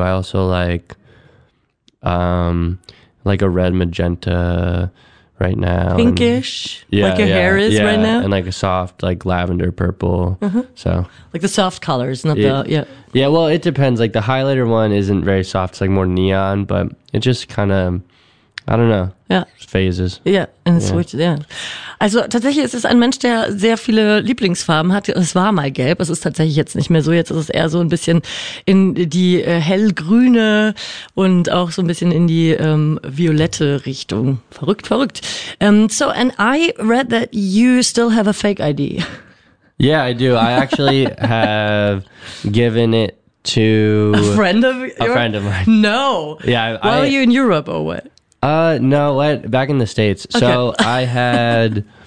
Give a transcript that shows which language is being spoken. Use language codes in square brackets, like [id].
[en] I also like a red magenta right now. Pinkish. And, yeah, like your hair is right now. And like a soft like lavender purple. Uh-huh. So like the soft colors, not Yeah, well it depends. Like the highlighter one isn't very soft. It's like more neon, but it just kinda I don't know. [de] Ja. [en] Phases. Ja, and it's switched, ja. [de] Also tatsächlich ist es ein Mensch, der sehr viele Lieblingsfarben hat. Es war mal gelb, es ist tatsächlich jetzt nicht mehr so. Jetzt ist es eher so ein bisschen in die hellgrüne und auch so ein bisschen in die violette Richtung. Verrückt, verrückt. [en] So, and I read that you still have a fake ID. Yeah, I do. I actually have given it to a friend of mine. No. Yeah. Are you in Europe or what? No. What? Back in the States. Okay. So I had.